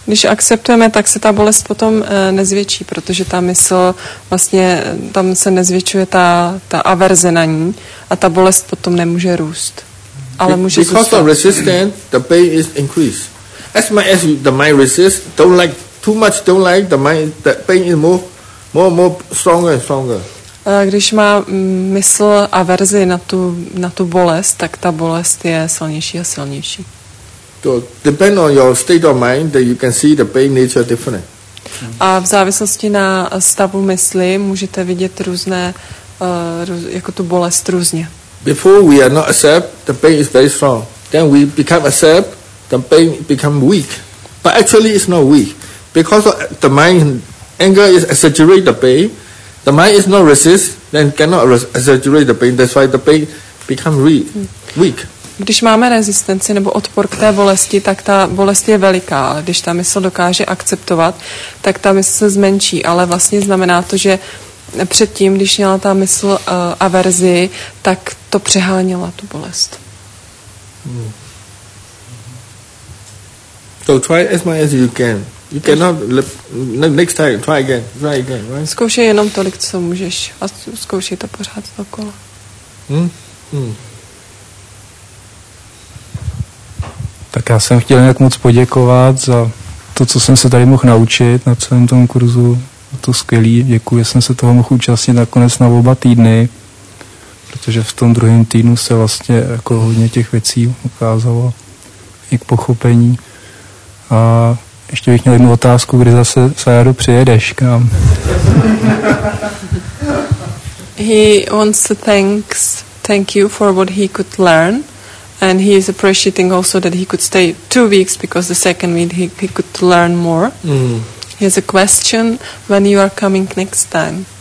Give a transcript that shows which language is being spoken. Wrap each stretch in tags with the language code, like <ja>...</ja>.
<cs>Když akceptujeme, tak se ta bolest potom nezvětší, protože ta mysl vlastně tam se nezvětšuje ta averze na ní a ta bolest potom nemůže růst. Ale může</cs> <en>because</en> <cs>zůstat.</cs> <en>Of resistance, the pain is increased. As much as the mind resists, don't like too much, don't like the mind. The pain is more stronger and stronger.</en> <cs>Když má mysl averzi na tu bolest, tak ta bolest je silnější a silnější.</cs> <en>So depend on your state of mind that you can see the pain nature different.</en> <cs>A v závislosti na stavu mysli můžete vidět různé jako tu bolest různě.</cs> <en>Before we are not accept, the pain is very strong. Then we become accept. The pain become weak, but actually it's not weak because the mind anger is exaggerate the pain. The mind is not resist, then cannot exaggerate the pain. That's why the pain become weak.</en> <cs>Když máme rezistenci nebo odpor k té bolesti, tak ta bolest je veliká. Ale když ta mysl dokáže akceptovat, tak ta mysl se zmenší. Ale vlastně znamená to, že předtím, když měla ta mysl averzi, tak to přeháněla, tu bolest.</cs> <en>So try as much as you can. You cannot next time try again, right?</en> <cs>Zkoušej jenom tolik, co můžeš, a zkoušej to pořád dokola. Tak já jsem chtěl nějak moc poděkovat za to, co jsem se tady mohl naučit na celém tom kurzu. To skvělý, děkuji, jsem se toho mohl účastnit nakonec na oba týdny, protože v tom druhém týdnu se vlastně jako hodně těch věcí ukázalo i k pochopení. A ještě bych měl jednu otázku, kdy zase Sajadu přijedeš k nám.</cs> <en>He wants to thank you for what he could learn, and he is appreciating also that he could stay 2 weeks because the second week he could learn more. He has a question, when you are coming next time?</en>